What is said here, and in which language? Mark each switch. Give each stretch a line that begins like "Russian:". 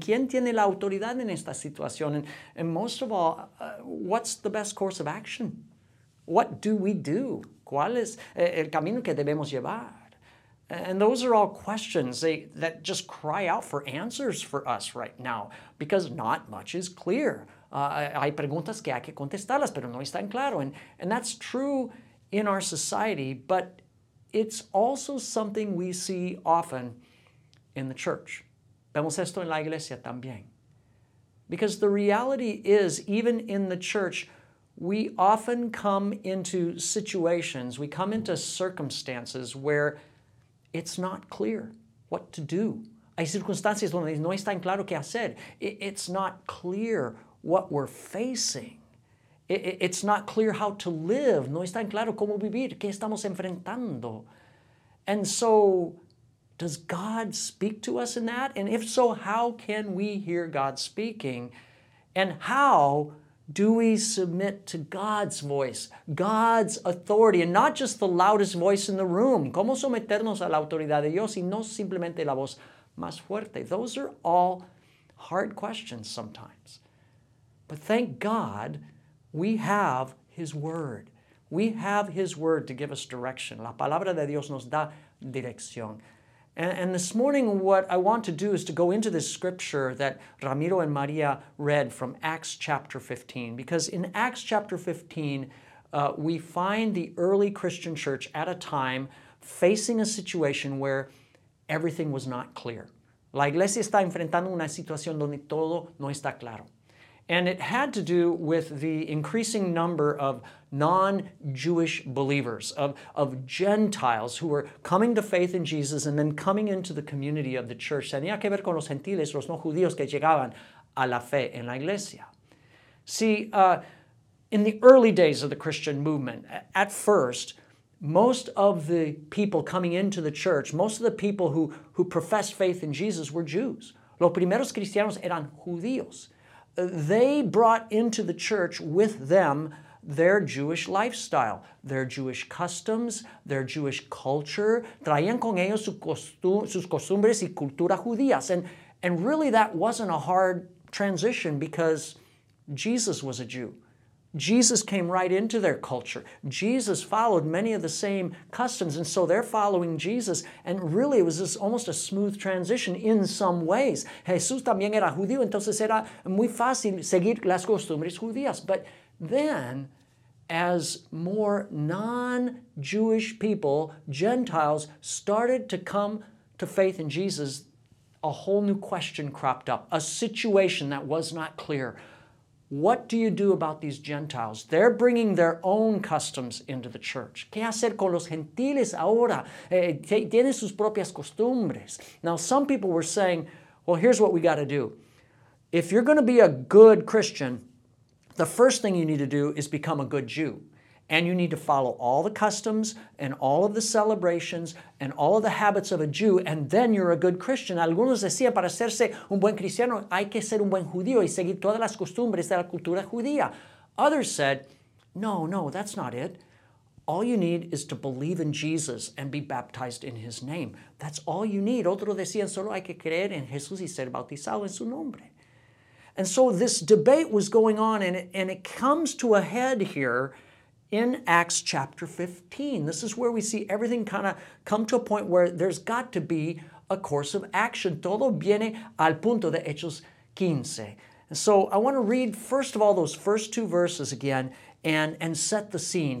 Spanish: ¿Quién tiene la autoridad en esta situación?
English: And most of all, what's the best course of action? What do we do?
Spanish: ¿Cuál es el camino que debemos llevar?
English: And those are all questions that just cry out for answers for us right now, because not much is clear.
Spanish: Hay preguntas que hay que contestarlas, pero no están claro.
English: And that's true in our society, but it's also something we see often in the church.
Spanish: Vemos esto en la iglesia también.
English: Because the reality is, even in the church, we often come into situations, we come into circumstances where it's not clear what to do.
Spanish: Hay circunstancias donde no está en claro qué hacer.
English: It's not clear what we're facing. It's not clear how to live.
Spanish: No está en claro cómo vivir. ¿Qué estamos enfrentando?
English: And so, does God speak to us in that? And if so, how can we hear God speaking? And how do we submit to God's voice, God's authority, and not just the loudest voice in the room?
Spanish: ¿Cómo someternos a la autoridad de Dios y no simplemente la voz más fuerte?
English: Those are all hard questions sometimes. But thank God we have His Word. We have His Word to give us direction.
Spanish: La palabra de Dios nos da dirección.
English: And this morning, what I want to do is to go into this scripture that Ramiro and Maria read from Acts chapter 15. Because in Acts chapter 15, we find the early Christian church at a time facing a situation where everything was not clear.
Spanish: La iglesia está enfrentando una situación donde todo no está claro.
English: And it had to do with the increasing number of non-Jewish believers, of Gentiles who were coming to faith in Jesus and then coming into the community of the church.
Spanish: Tenía que ver con los gentiles, los no judíos que llegaban a la fe en la iglesia.
English: See, in the early days of the Christian movement, at first, most of the people coming into the church, most of the people who professed faith in Jesus were Jews.
Spanish: Los primeros cristianos eran judíos.
English: They brought into the church with them their Jewish lifestyle, their Jewish customs, their Jewish culture.
Spanish: Traían con ellos sus costumbres y cultura judías.
English: And really that wasn't a hard transition because Jesus was a Jew. Jesus came right into their culture. Jesus followed many of the same customs, and so they're following Jesus. And really, it was just almost a smooth transition in some ways.
Spanish: Jesús también era judío, entonces era muy fácil seguir las costumbres judías.
English: But then, as more non-Jewish people, Gentiles, started to come to faith in Jesus, a whole new question cropped up, a situation that was not clear. What do you do about these Gentiles? They're bringing their own customs into the church.
Spanish: ¿Qué hacer con los gentiles ahora? Tienen sus propias costumbres.
English: Now, some people were saying, well, here's what we got to do. If you're going to be a good Christian, the first thing you need to do is become a good Jew. And you need to follow all the customs and all of the celebrations and all of the habits of a Jew, and then you're a good Christian.
Spanish: Algunos decían, para hacerse un buen cristiano, hay que ser un buen judío y seguir todas las costumbres de la cultura judía.
English: Others said, no, that's not it. All you need is to believe in Jesus and be baptized in his name. That's all you need.
Spanish: Otros decían, solo hay que creer en Jesús y ser bautizado en su nombre.
English: And so this debate was going on, and it comes to a head here in Acts chapter 15. This is where we see everything kind of come to a point where there's got to be a course of action.
Spanish: Todo viene al punto de Hechos 15.
English: And so I want to read, first of all, those first two verses again and set the scene.